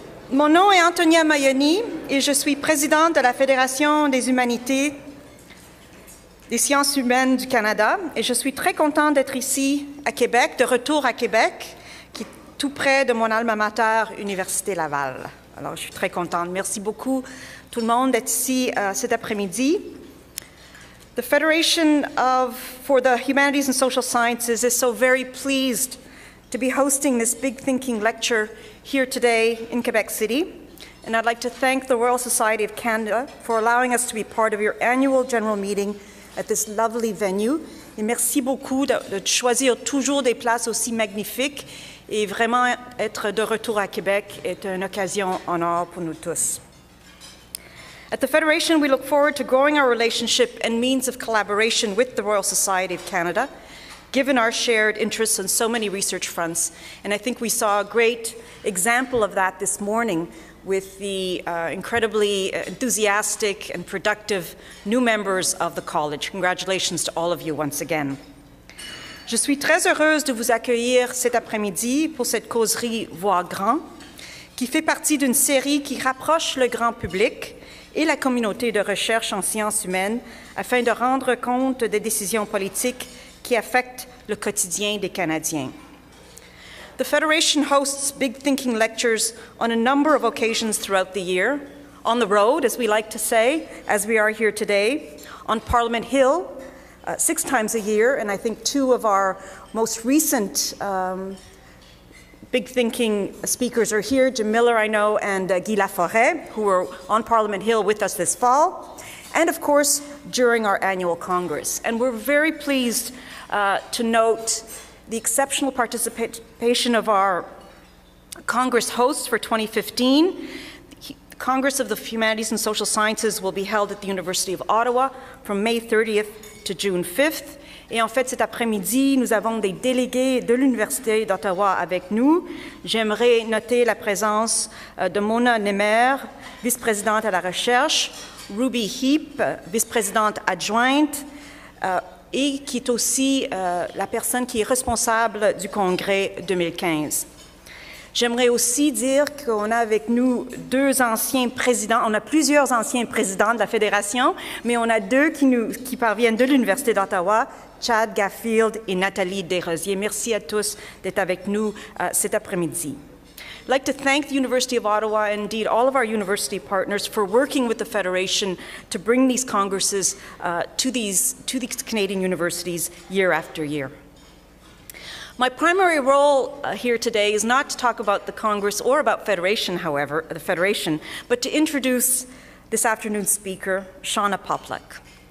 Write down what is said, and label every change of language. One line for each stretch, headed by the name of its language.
French: Mon nom est Antonia Maioni et je suis présidente de la Fédération des humanités, des sciences humaines du Canada. Et je suis très contente d'être ici à Québec, de retour à Québec, qui est tout près de mon alma mater, Université Laval. Alors, je suis très contente. Merci beaucoup, tout le monde, d'être ici cet après-midi.
English: The Federation of, for the Humanities and Social Sciences is so very pleased to be hosting this big thinking lecture here today in Quebec City. And I'd like to thank the Royal Society of Canada for allowing us to be part of your annual general meeting at this lovely venue.
French: Et merci beaucoup de choisir toujours des places aussi magnifiques. Et vraiment être de retour à Québec est une occasion en or pour nous tous.
English: At the Federation, we look forward to growing our relationship and means of collaboration with the Royal Society of Canada, given our shared interests on so many research fronts. And I think we saw a great example of that this morning with the incredibly enthusiastic and productive new members of the college. Congratulations to all of you once again.
French: Je suis très heureuse de vous accueillir cet après-midi pour cette causerie Voix Grand, qui fait partie d'une série qui rapproche le grand public et la communauté de recherche en sciences humaines afin de rendre compte des décisions politiques qui affectent le quotidien des Canadiens.
English: The Federation hosts big thinking lectures on a number of occasions throughout the year, on the road, as we like to say, as we are here today, on Parliament Hill, six times a year, and I think two of our most recent big thinking speakers are here, Jim Miller, I know, and Guy Laforêt, who were on Parliament Hill with us this fall, and of course, during our annual Congress. And we're very pleased to note the exceptional participation of our Congress hosts for 2015. The Congress of the Humanities and Social Sciences will be held at the University of Ottawa from May 30th to June 5th.
French: Et en fait, cet après-midi, nous avons des délégués de l'Université d'Ottawa avec nous. J'aimerais noter la présence de Mona Nemer, vice-présidente à la recherche, Ruby Heap, vice-présidente adjointe, et qui est aussi la personne qui est responsable du Congrès 2015. J'aimerais aussi dire qu'on a avec nous deux anciens présidents, on a plusieurs anciens présidents de la Fédération, mais on a deux qui parviennent de l'Université d'Ottawa, Chad Gaffield et Nathalie Desrosiers. Merci à tous d'être avec nous cet après-midi.
English: I'd like to thank the University of Ottawa and indeed all of our university partners for working with the Federation to bring these congresses to these Canadian universities year after year. My primary role here today is not to talk about the Congress or about Federation, however, the Federation, but to introduce this afternoon's speaker, Shana Poplack.